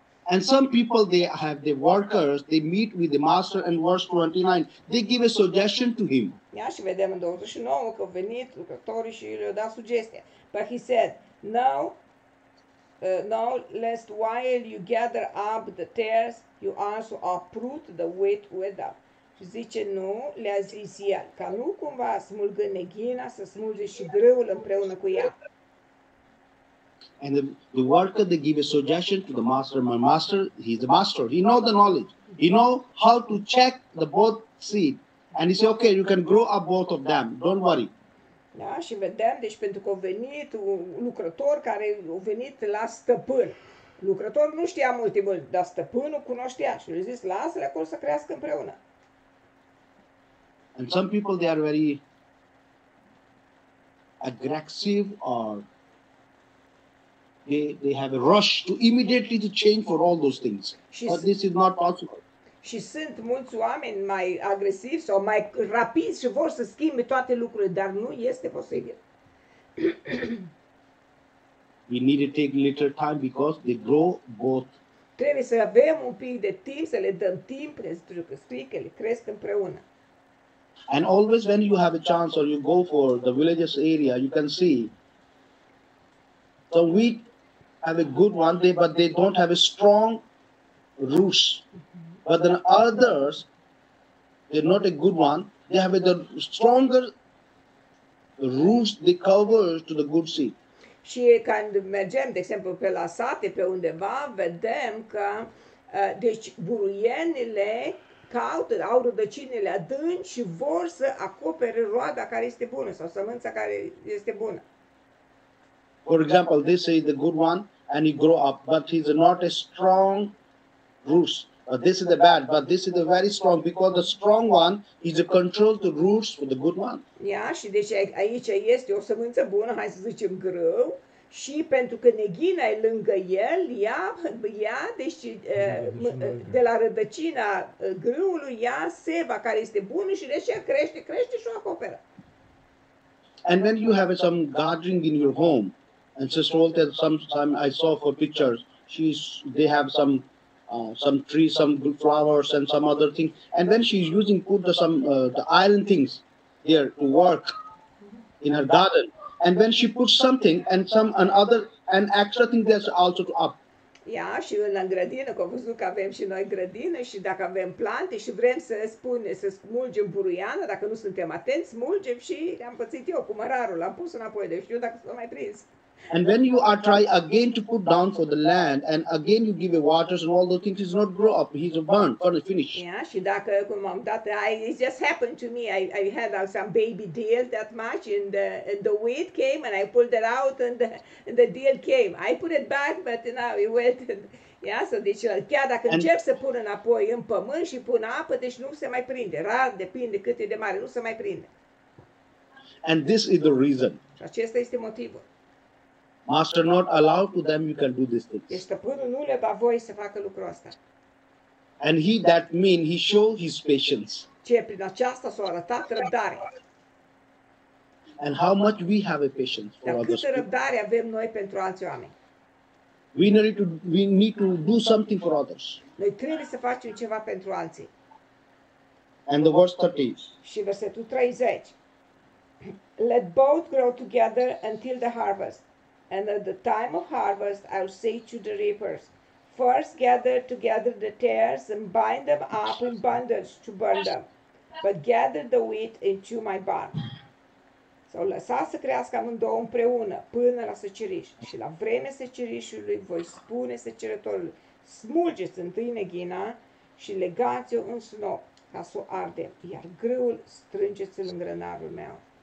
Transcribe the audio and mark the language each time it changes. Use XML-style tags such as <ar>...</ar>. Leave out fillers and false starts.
<en>And some people, they have the workers, they meet with the master in verse 29. They give a suggestion to him.</en> <ro>Ia și vedem în 29 că au venit lucrătorii și le-au dat sugestia.</ro> <en>But he said, now, lest while you gather up the tares, you also uproot the wheat with them.</en> <ro>Și zice, nu, le-a zis el, ca nu cumva smulgă neghina, să smulge și grâul împreună cu ea.</ro> <en>And the worker, they give a suggestion to the master. My master, he's the master. He knows the knowledge. He know how to check the both seed. And he say, okay, you can grow up both of them. Don't worry.</en> <ro>Da, și vedem, deci pentru că a venit un lucrător care a venit la stăpân. Lucrătorul nu știa multe, dar stăpânul cunoștea. Și le-a zis, lasă-le acolo să crească împreună.</ro> <en>And some people, they are very aggressive or they have a rush to immediately to change for all those things. But this is not possible.</en> <ro>Și sunt mulți oameni mai agresivi sau mai rapizi și vor să schimbe toate lucrurile, dar nu este posibil.</ro> <en>We need to take little time because they grow both.</en> <ro>Trebuie să avem un pic de timp, să le dăm timp, pentru că stricele cresc împreună.</ro> <en>And always when you have a chance or you go for the villages area, you can see the wheat have a good one day, but they don't have a strong roots. But then others, they're not a good one. They have a stronger roots, they cover to the good seed.</en> <ro>Și când mergem, de exemplu, pe la sate, pe undeva, vedem că, deci, buruienile caută, au rădăcinile adânci și vor să acopere roada care este bună sau sămânța care este bună.</ro> <en>For example, this is the good one and he grow up, but he's not a strong roots. But this is the bad, but this is the very strong because the strong one is a control to roots for the good one.</en> <ro>Ia, și deci aici este o sămânță bună, hai să zicem grâu, și pentru că neghina e lângă el, ea deci de la rădăcina grâului ia seva care este bună și deci crește și o acoperă.</ro> <en>And when you have some gardening in your home, and Sister Walter, sometime I saw for pictures, they have some trees, some good flowers and some other things. And then she's using the iron things there to work in her garden. And when she puts something and some another an extra thing there's also to up.</en> <ro>Ia, și în grădină, că am văzut că avem și noi grădină și dacă avem plante și vrem să smulgem buruiană, dacă nu suntem atenți, smulgem și le-am pățit eu cu mărarul, l-am pus înapoi, deci știu dacă s-o mai prins.</ro> <en>And when you are try again to put down for the land and again you give a waters and all those things, he's not grow up, he's a burn, finish. Yeah,</en> <ro>și dacă cum am dat,</ro> <en>it just happened to me, I had some baby deal that much and the wheat came and I pulled it out and the deal came. I put it back, but now it went.</en> <ro>Yeah, so deci chiar dacă încep să pun înapoi în pământ și pun apă, deci nu se mai prinde, rar, depinde cât e de mare, nu se mai prinde.</ro> <en>And this is the reason.</en> <ro>Și acesta este motivul.</ro> <en>Master not allow to them you can do this thing.</en> <ro>Deci stăpânul nu le dă voie să facă lucrul ăsta.</ro> <en>And he that mean he show his patience.</en> <ro>Ce prin aceasta s-a arătat răbdare.</ro> <en>And how much we have a patience for others.</en> <ro>Dar câtă răbdare avem noi pentru alți oameni.</ro> <en>We need to do something for others.</en> <ro>Noi trebuie să facem ceva pentru alții.</ro> <en>And the verse 30.</en> <ro>Și versetul 30.</ro> <en>Let both grow together until the harvest. And at the time of harvest, I will say to the reapers, first gather together the tares and bind them up in bundles to burn them, but gather the wheat into my barn.</en> <ro>So, lăsați să crească amândouă împreună până la secerici. Și la vremea secerișului voi spune secerătorului, smulgeți întâi neghina și legați-o în snop ca să o arde, iar grâul strângeți-l în grănarul meu.</ro>